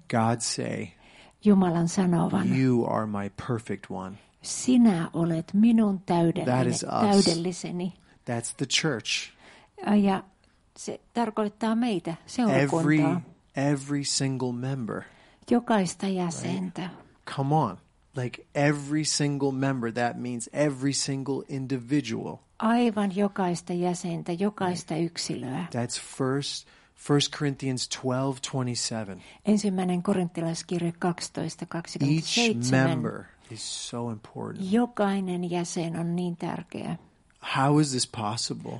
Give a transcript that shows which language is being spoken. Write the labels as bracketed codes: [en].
[en] God say. [fi] Jumalan sanovan. [en] You are my perfect one. [fi] Sinä olet minun täydelliseni. [en] That's the church. [fi] Ja se tarkoittaa meitä, seurakuntaa. [en] Every single member. [fi] Jokaista jäsentä. [en] Right? Come on. Like every single member, that means every single individual. [fi] Aivan jokaista jäsentä, jokaista yksilöä. [en] That's first Corinthians 12:27. [fi] Ensimmäinen korinttilaiskirje 12:27. [en] Each member is so important. [fi] Jokainen jäsen on niin tärkeä. [en] How is this possible?